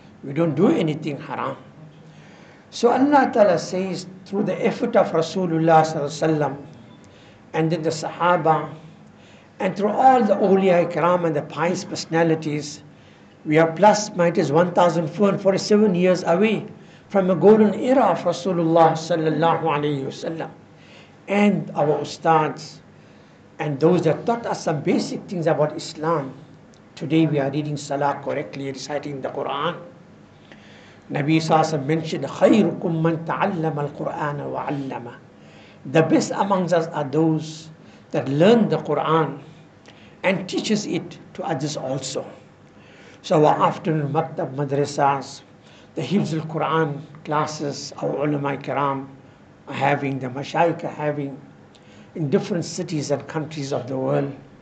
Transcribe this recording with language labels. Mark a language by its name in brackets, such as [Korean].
[English] We don't do anything haram. So Allah Ta'ala says, through the effort of Rasulullah sallallahu, and then the Sahaba, and through all the awliya ikram and the pious personalities, we are plus minus 1,447 years away from the golden era of Rasulullah sallallahu alayhi wasallam, and our ustads and those that taught us some basic things about Islam. Today we are reading Salah correctly, reciting the Quran. Nabi Sasa mentioned, [Arabic] خَيْرُكُمْ مَنْ تَعَلَّمَ الْقُرْآنَ وَعَلَّمَ. [English] The best among us are those that learn the Quran and teaches it to others also. So our afternoon maktab madrasas, the Hibz al-Quran classes, our ulama kiram are having, the mashayikh are having in different cities and countries of the world.